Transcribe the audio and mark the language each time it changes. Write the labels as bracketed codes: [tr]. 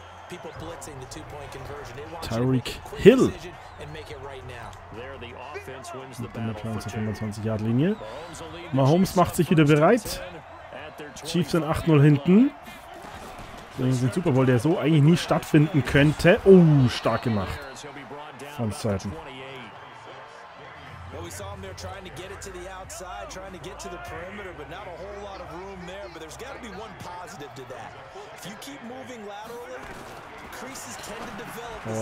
[en] People blitzing the 2-point conversion. Tyreek Hill. And make it right now. There the offense wins the battle. [de] 25 Yard Linie. Mahomes macht sich wieder bereit. Chiefs sind 8-0 hinten. Das ist ein Super Bowl, der so eigentlich nie stattfinden könnte. Oh, stark gemacht. Von Seiten. [en] Well, we saw him there trying to get it to the outside, trying to get to the perimeter, but not a whole lot of room there. But there's got to be one positive to that. If you keep moving laterally, creases tend to develop.